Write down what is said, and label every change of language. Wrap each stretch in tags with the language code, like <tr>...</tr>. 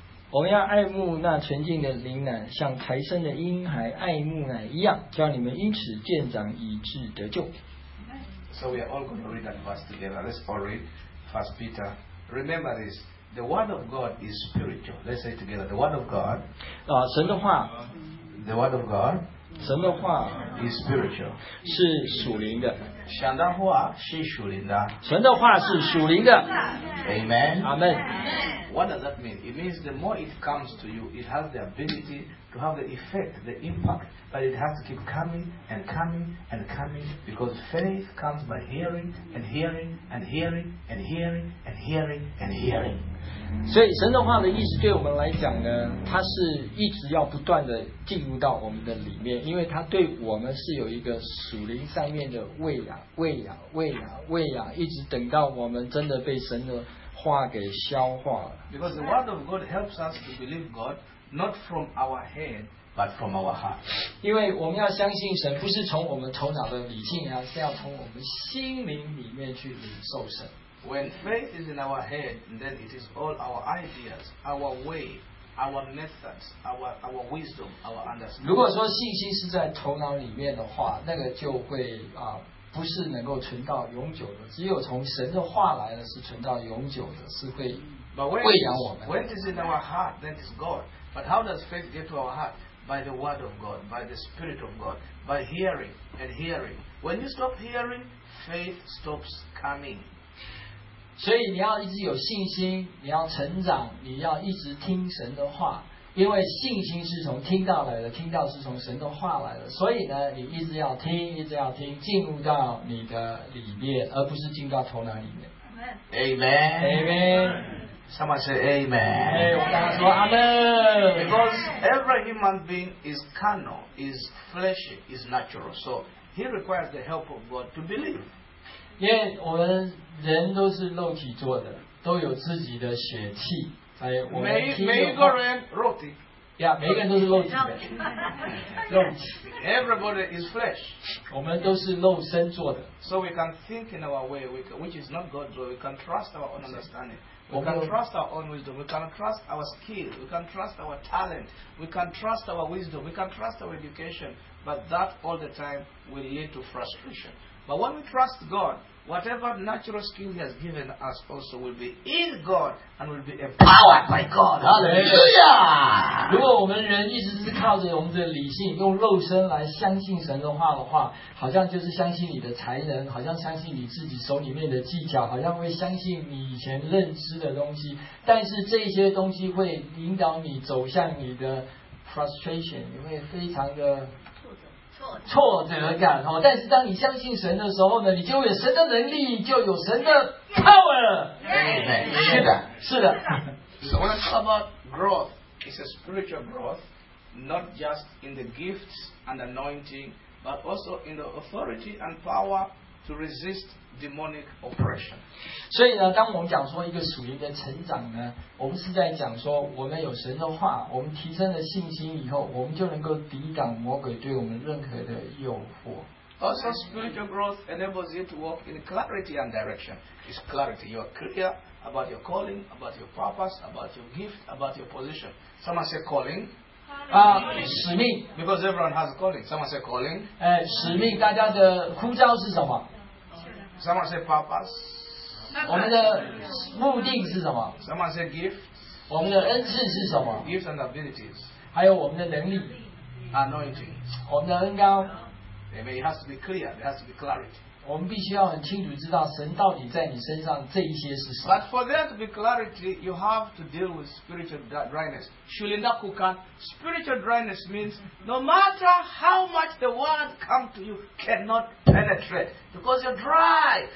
<zh>我们要爱慕那纯净的灵奶，像才生的婴孩爱慕奶一样，叫你们因此渐长，以致得救。</zh> <en>So we are all going to read that verse together. Let's all read First Peter. Remember this: the word of God is spiritual. Let's say together: the word of God.</en> <zh>神的话。</zh> <en>The word of God.</en> <zh>神的话。</zh> <en>Is spiritual.</en> <zh>是属灵的。神的话是属灵的，神的话是属灵的。</zh> <en>Amen. Amen. What does that mean? It means the more it comes to you, it has the ability to have the effect, the impact, but it has to keep coming and coming and coming because faith comes by hearing and hearing and hearing and hearing and hearing and hearing.</en> <zh>所以神的话的意思对我们来讲呢，它是一直要不断的进入到我们的里面，因为它对我们是有一个属灵上面的位。喂养，一直等到我们真的被神的话给消化了。</zh> <en>Because the word of God helps us to believe God not from our head but from our heart.</en> <zh>因为我们要相信神，不是从我们头脑的理性，而是要从我们心灵里面去领受神。</zh> <en>When faith is in our head, then it is all our ideas, our way. Our methods, our wisdom, our understanding.</en> <zh>如果说信心是在头脑里面的话，那个就会不是能够存到永久的。只有从神的话来的是存到永久的，是会喂养我们。</zh> <en>But when it is in our heart, then it's God. But how does faith get to our heart? By the word of God, by the spirit of God, by hearing and hearing. When you stop hearing, faith stops coming.</en> <zh>所以你要一直有信心，你要成长，你要一直听神的话，因为信心是从听到来的，听到是从神的话来的。所以呢，你一直要听，一直要听，进入到你的里面，而不是进到头脑里面。</zh> <en>Amen. Amen. Someone say Amen.</en> <zh>我大家说 Amen.</zh> <en>Because every human being is carnal, is fleshy, is natural, so he requires the help of God to believe.</en> <zh>因为我们人都是肉体做的，都有自己的血气，所以我们每一个人肉体，每一个人都是肉体的，肉体。</zh> <en>Everybody is flesh.</en> <zh>我们都是肉身做的。</zh> <en>So we can think in our way, which is not God's way. We can trust our own understanding. We can trust our own wisdom. We can trust our skill. We can trust our talent. We can trust our wisdom. We can trust our education. But that all the time will lead to frustration. But when we trust God, whatever natural skill He has given us also will be in God and will be empowered by God. Hallelujah!</en> <zh>如果我们人一直是靠着我们的理性，用肉身来相信神的话的话，好像就是相信你的才能，好像相信你自己手里面的技巧，好像会相信你以前认知的东西。但是这些东西会引导你走向你的 frustration， 你会非常的。挫折感，但是当你相信神的时候呢，你就有神的能力，就有神的 power。是的。</zh> <en>So when I talk about growth, it's a spiritual growth, not just in the gifts and anointing but also in the authority and power to resist demonic oppression.</en> <zh>所以呢，当我们讲说一个属灵的成长呢，我们是在讲说，我们有神的话，我们提升了信心以后，我们就能够抵挡魔鬼对我们任何的诱惑。</zh> <en>Also, spiritual growth enables you to walk in clarity and direction. It's clarity. You are clear about your calling, about your purpose, about your gift, about your position. Someone say calling.</en> <zh>使命.</zh> <en>Because everyone has a calling. Someone say calling.</en> <zh>使命, 大家的呼召是什么?</zh> <en>Someone say purpose.</en> <zh>我们的目的是什么?</zh> <en>Someone say gift.</en> <zh>我们的恩赐是什么?</zh> <en>Gifts and abilities.</en> <zh>还有我们的能力.</zh> <en>Anointing.</en> <zh>我们的恩膏.</zh> <en>Amen. It has to be clear. There has to be clarity.</en> <zh>我们必须要很清楚知道神到底在你身上这一些是什么。</zh> <en>But for there to be clarity, you have to deal with spiritual dryness.</en> <zh>修炼到骨干,</zh> <en>spiritual dryness means no matter how much the word comes to you, cannot penetrate because you're dry.</en>